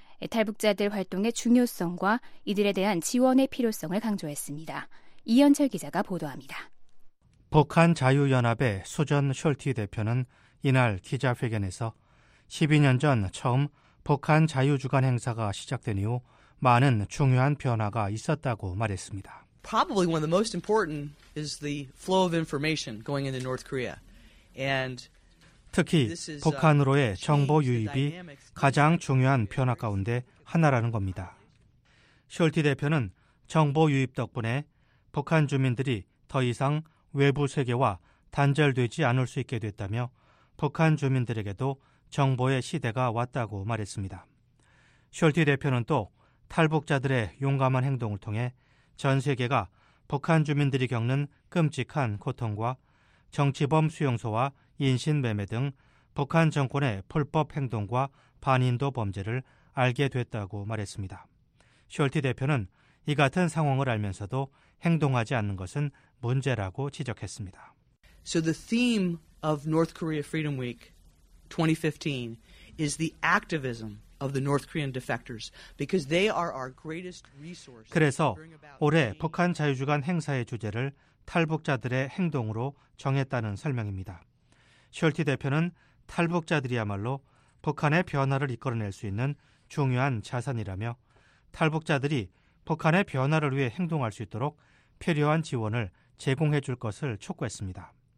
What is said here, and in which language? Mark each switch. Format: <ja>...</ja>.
<ko>탈북자들 활동의 중요성과 이들에 대한 지원의 필요성을 강조했습니다. 이현철 기자가 보도합니다. 북한 자유연합의 수전 숄티 대표는 이날 기자회견에서 12년 전 처음 북한 자유주간 행사가 시작된 이후 많은 중요한 변화가 있었다고 말했습니다.</ko> <en>Probably one of the most important is the flow of information going into North Korea. And</en> <ko>특히 북한으로의 정보 유입이 가장 중요한 변화 가운데 하나라는 겁니다. 숄티 대표는 정보 유입 덕분에 북한 주민들이 더 이상 외부 세계와 단절되지 않을 수 있게 됐다며 북한 주민들에게도 정보의 시대가 왔다고 말했습니다. 숄티 대표는 또 탈북자들의 용감한 행동을 통해 전 세계가 북한 주민들이 겪는 끔찍한 고통과 정치범 수용소와 인신매매 등 북한 정권의 불법 행동과 반인도 범죄를 알게 됐다고 말했습니다. 숄티 대표는 이 같은 상황을 알면서도 행동하지 않는 것은 문제라고 지적했습니다.</ko> <en>So the theme of North Korea Freedom Week 2015 is the activism of the North Korean defectors because they are our greatest resource.</en> <ko>그래서 올해 북한 자유주간 행사의 주제를 탈북자들의 행동으로 정했다는 설명입니다. 숄티 대표는 탈북자들이야말로 북한의 변화를 이끌어낼 수 있는 중요한 자산이라며 탈북자들이 북한의 변화를 위해 행동할 수 있도록 필요한 지원을 제공해 줄 것을 촉구했습니다.</ko>